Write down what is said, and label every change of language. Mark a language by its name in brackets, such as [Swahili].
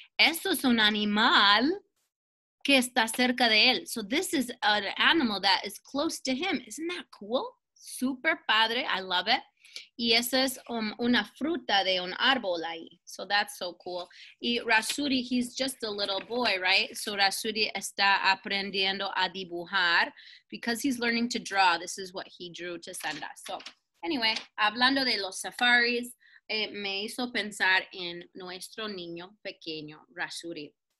[Spanish] Eso es un animal que está cerca de él. [English] So, this is an animal that is close to him. Isn't that cool? [Spanish] Super padre, [English] I love it. [Spanish] Y esa es una fruta de un árbol ahí. [English] So that's so cool. Y Rasuri, he's just a little boy, right? [Spanish] So Rasuri está aprendiendo a dibujar. [English] Because he's learning to draw, this is what he drew to send us. So anyway, [Spanish] hablando de los safaris, me hizo pensar en nuestro niño pequeño, Rasuri.